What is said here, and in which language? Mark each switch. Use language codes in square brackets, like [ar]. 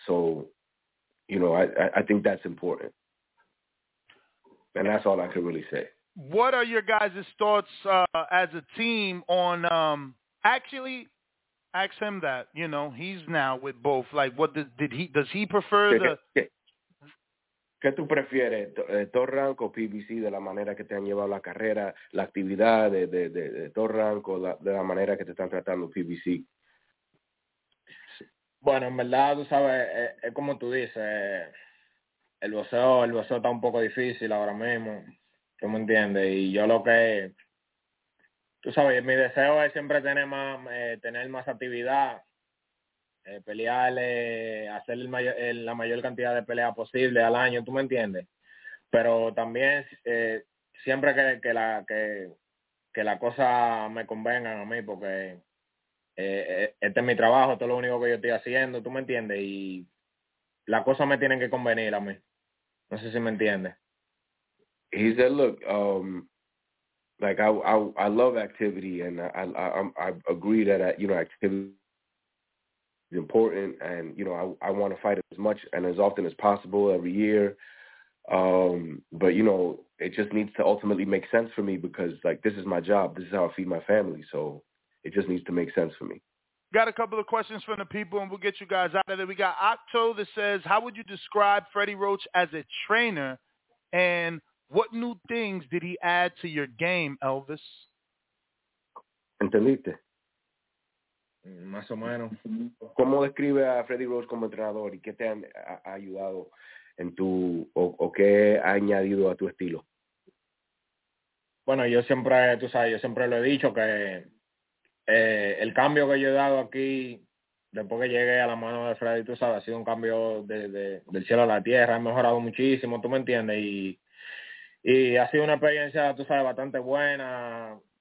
[en] So, I think that's important. And that's all I can really say. What are your guys' thoughts as a team on actually ask him that, he's now with both. Like, what does he prefer the... [es] ¿Qué tú prefieres, Top Rank o PBC, de la manera que te han llevado la carrera, la actividad de Top Rank o de la manera que te están tratando PBC? Bueno, en verdad, tú sabes, es como tú dices, el boxeo está un poco difícil ahora mismo, ¿tú me entiendes? Y yo lo que, tú sabes, mi deseo es siempre tener más actividad, hacer la mayor cantidad de peleas posible al año, ¿tú me entiendes? Pero también siempre que la cosa me convenga a mí, porque este es mi trabajo, esto es lo único que yo estoy haciendo, ¿tú me entiendes? Y la cosa me tiene que convenir a mí. No sé si me entiendes. [en] He said, look, I love activity and I agree that activity important, and I want to fight as much and as often as possible every year, but it just needs to ultimately make sense for me, because like, this is my job, this is how I feed my family, so it just needs to make sense for me. Got a couple of questions from the people and we'll get you guys out of there. We got Octo that says, how would you describe Freddie Roach as a trainer, and what new things did he add to your game, Elvis? [es] Entendiste. Más o menos. ¿Cómo describe a Freddie Roach como entrenador y qué te ha ayudado en tu o qué ha añadido a tu estilo? Bueno, yo siempre lo he dicho que el cambio que yo he dado aquí después que llegué a la mano de Freddie, tú sabes, ha sido un cambio del cielo a la tierra, he mejorado muchísimo, tú me entiendes, y ha sido una experiencia, tú sabes, bastante buena.